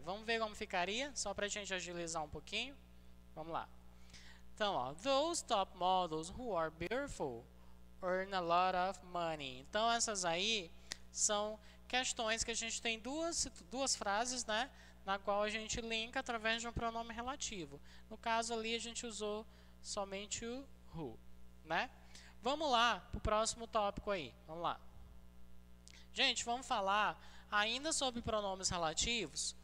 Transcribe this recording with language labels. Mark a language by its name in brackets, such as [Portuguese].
[Portuguese] Vamos ver como ficaria, só para a gente agilizar um pouquinho. Vamos lá. Então, ó, [English] those top models who are beautiful earn a lot of money. [Portuguese] Então, essas aí são questões que a gente tem duas frases, né, na qual a gente linka através de um pronome relativo. No caso ali, a gente usou somente o who, né? Vamos lá pro próximo tópico aí. Vamos lá. Gente, vamos falar ainda sobre pronomes relativos.